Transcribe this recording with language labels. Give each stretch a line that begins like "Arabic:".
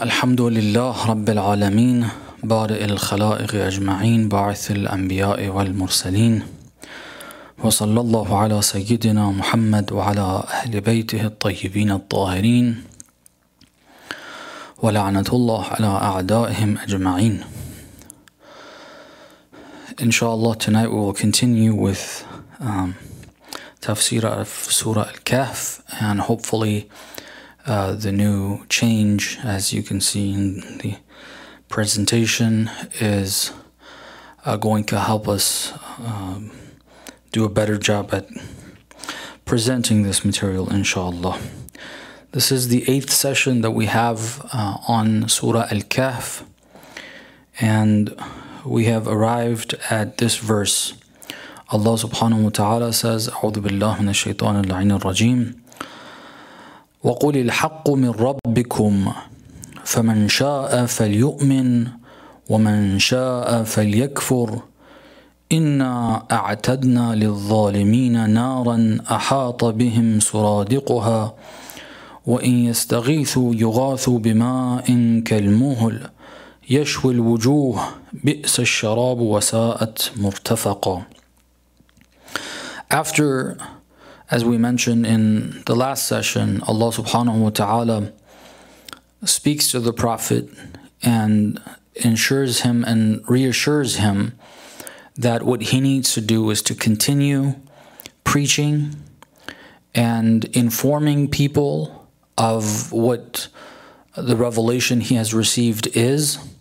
Arabic: الحمد لله رب العالمين، بارئ الخلائق أجمعين، باعث الأنبياء والمرسلين، وصلى الله على سيدنا محمد وعلى أهل بيته الطيبين الطاهرين، ولعنة الله على أعدائهم أجمعين.
English: Inshallah, tonight we will continue with tafsir of Surah Al-Kahf, and hopefully the new change, as you can see in the presentation, is going to help us do a better job at presenting this material, inshallah. This is the eighth session that we have on Surah Al-Kahf, and we have arrived at this verse.
Arabic: Allah subhanahu wa ta'ala says, أعوذ بالله من الشيطان اللعين الرجيم وقل الحق من ربكم فمن شاء فليؤمن ومن شاء فليكفر إنا أعتدنا للظالمين نارا أحاط بهم سرادقها وإن يستغيثوا يغاثوا بماء كالمهل يشوي الوجوه بئس الشراب وساءت مرتفقا.
English: After, as we mentioned in the last session, Allah subhanahu wa ta'ala speaks to the Prophet and ensures him and reassures him that what he needs to do is to continue preaching and informing people of what the revelation he has received is,